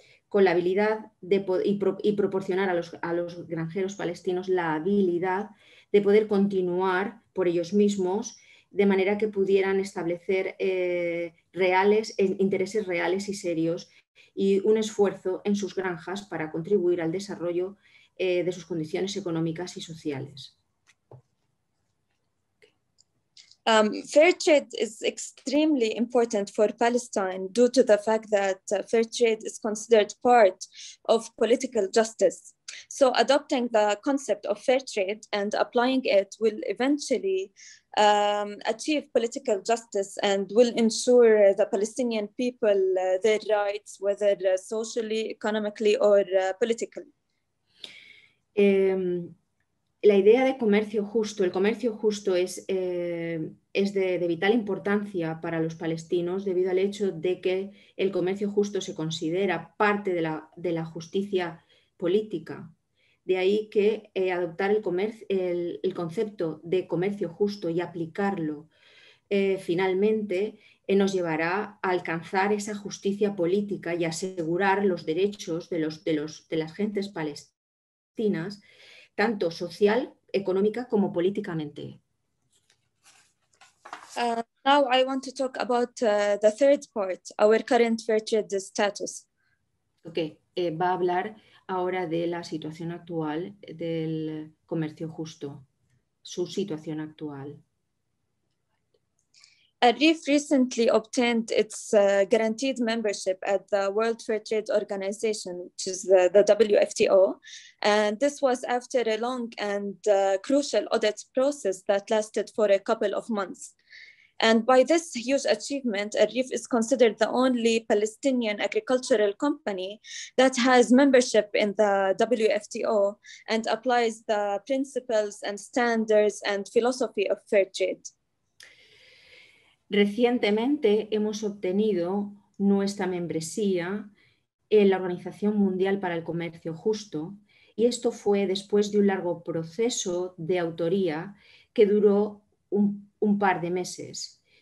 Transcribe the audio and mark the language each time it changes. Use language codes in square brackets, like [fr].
[es] con la habilidad de proporcionar a los granjeros palestinos la habilidad de poder continuar por ellos mismos, de manera que pudieran establecer intereses reales y serios y un esfuerzo en sus granjas para contribuir al desarrollo de sus condiciones económicas y sociales. [en] Fair trade is extremely important for Palestine due to the fact that fair trade is considered part of political justice. So adopting the concept of fair trade and applying it will eventually achieve political justice and will ensure the Palestinian people their rights, whether socially, economically or politically. [es] La idea de comercio justo, el comercio justo es de vital importancia para los palestinos, debido al hecho de que el comercio justo se considera parte de la justicia política. De ahí que adoptar el concepto de comercio justo y aplicarlo finalmente nos llevará a alcanzar esa justicia política y asegurar los derechos de las gentes palestinas, tanto social, económica como políticamente. [en] Now I want to talk about the third part, our current fair trade status. [es] Okay, va a hablar ahora de la situación actual del comercio justo, su situación actual. [en] Arif recently obtained its guaranteed membership at the World Fair Trade Organization, which is the WFTO. And this was after a long and crucial audit process that lasted for a couple of months. And by this huge achievement, Arif is considered the only Palestinian agricultural company that has membership in the WFTO and applies the principles and standards and philosophy of fair trade. [es] Recientemente hemos obtenido nuestra membresía en la Organización Mundial para el Comercio Justo, y esto fue después de un largo proceso de autoría que duró un par de meses.